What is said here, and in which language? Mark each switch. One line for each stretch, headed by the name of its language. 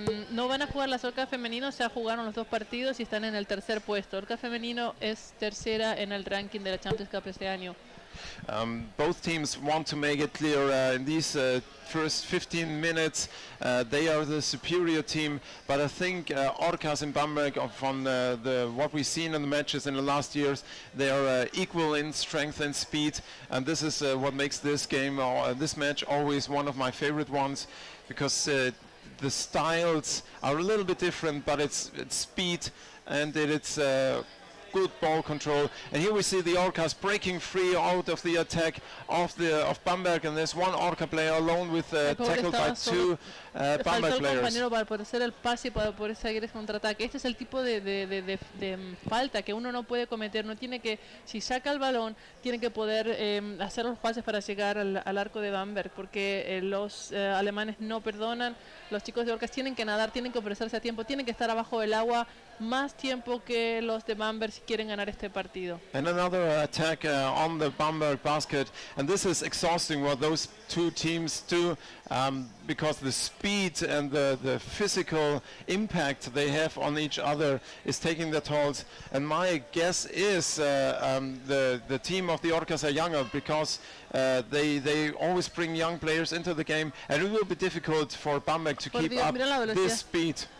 Spanish: No van a jugar las orcas femeninos, se jugaron los dos partidos y están en el tercer puesto. Orca femenino es tercera en el ranking de la Champions Cup este año.
English: Both teams want to make it clear in these first 15 minutes they are the superior team, but I think Orcas and Bamberg, from the what we've seen in the matches in the last years, they are equal in strength and speed, and this is what makes this game or this match always one of my favorite ones, because the styles are a little bit different, but it's speed and it's good ball control. And here we see the Orcas breaking free out of the attack of Bamberg, and there's one Orca player alone with tackled by two Bamberg players.
Spanish: Faltó el compañero para poder hacer el pase y para poder seguir ese contraataque. Este es el tipo de falta que uno no puede cometer. No tiene que, si saca el balón, tiene que poder hacer los pases para llegar al arco de Bamberg, porque los alemanes no perdonan. Los chicos de Orcas tienen que nadar, tienen que ofrecerse a tiempo, tienen que estar abajo del agua más tiempo que los de Bamberg si quieren ganar este partido.
English: And another attack on the Bamberg basket, and this is exhausting what those two teams do, because the speed and the physical impact they have on each other is taking their tolls. And my guess is the team of the Orcas are younger, because they always bring young players into the game, and it will be difficult for Bamberg to keep up this speed.